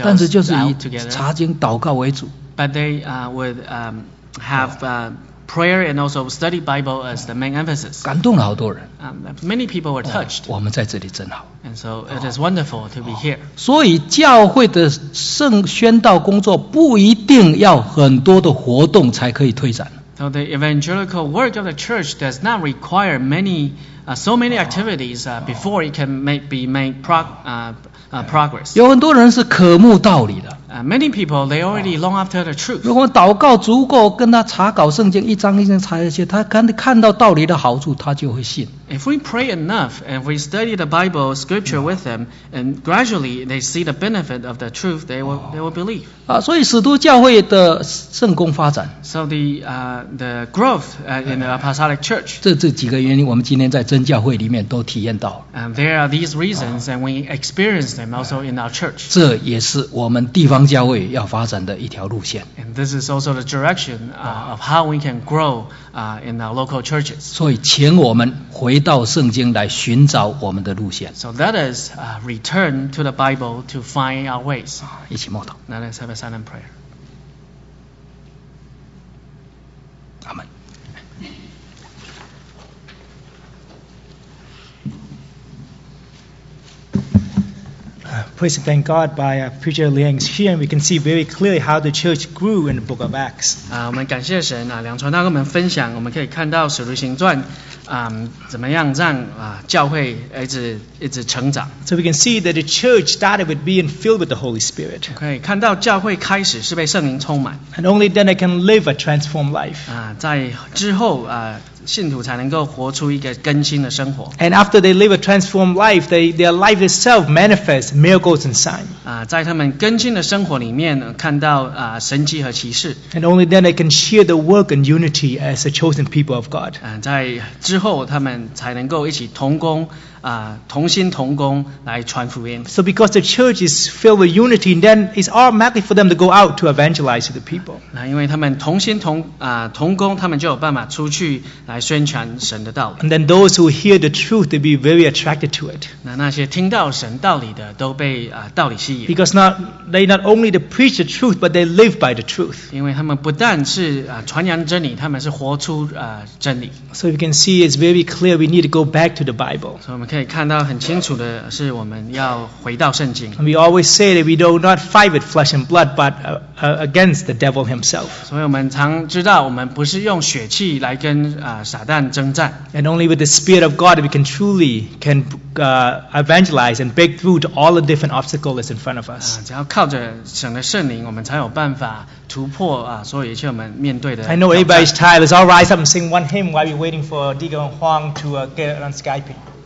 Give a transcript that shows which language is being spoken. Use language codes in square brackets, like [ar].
[en] together. [zh] 但是就是以查经祷告为主。 [en] But they would have prayer and also study Bible as the main emphasis. [zh] 感动了好多人。 [en] Many people were touched. [zh] 我们在这里真好。 [en] And so it is wonderful to be here. [zh] 所以教会的圣宣道工作不一定要很多的活动才可以推展。 [en] So the evangelical work of the church does not require many, so many activities before it can make progress. [zh] 有很多人是渴慕道理的。 [en] Many people they already long after the truth. [zh] 如果祷告足够，跟他查考圣经一章一章查下去，他看到道理的好处，他就会信。 [en] If we pray enough and we study the Bible scripture with them, and gradually they see the benefit of the truth, they will believe. [zh] 所以使徒教会的圣工发展。 [en] So the growth in the apostolic church. [zh] 这几个原因，我们今天在真教会里面都体验到。 [en] And there are these reasons, and we experience them also in our church. [zh] 这也是我们地方教会要发展的一条路线。 [en] And this is also the direction of how we can grow in our local churches. [zh] 所以请我们回到圣经来寻找我们的路线。 [en] So let us return to the Bible to find our ways. [zh] 一起默祷。 [en] Let us have a silent prayer. [zh] 阿们。 [en] Please thank God by Preacher Liang's sharing, we can see very clearly how the church grew in the book of Acts. [zh] 我们感谢神，梁传道跟我们分享，我们可以看到《使徒行传》怎么样让教会一直成长。 [en] So we can see that the church started with being filled with the Holy Spirit. [zh] 可以看到教会开始是被圣灵充满。 [en] And only then they can live a transformed life. [zh] 在之后信徒才能够活出一个更新的生活。 [en] And after they live a transformed life, their life itself manifests miracles and signs. [zh] 在他们更新的生活里面看到神迹和奇事。 [en] And only then they can share the work and unity as a chosen people of God. [zh] 在之后他们才能够一起同工同心同工来传福音。 [en] So because the church is filled with unity, then it's automatically for them to go out to evangelize the people. [zh] 因为他们同心同工，他们就有办法出去来宣传神的道理。 [en] And then those who hear the truth, they be very attracted to it. [zh] 那些听到神道理的都被道理吸引。 [en] Because they not only to preach the truth, but they live by the truth. [zh] 因为他们不但是传扬真理，他们是活出真理。 [en] So you can see it's very clear we need to go back to the Bible. [zh] 我们可以看到很清楚的是，我们要回到圣经。 [en] We always say that we do not fight with flesh and blood, but against the devil himself. [zh] 所以我们常知道，我们不是用血气来跟撒旦征战。 [en] And only with the Spirit of God we can truly can evangelize and break through to all the different obstacles that's in front of us. [zh] 只要靠着神的圣灵，我们才有办法突破所有一切我们面对的。 [en] I know everybody's tired. Let's all rise up and sing one hymn while we're waiting for Diego and Huang to get on Skyping.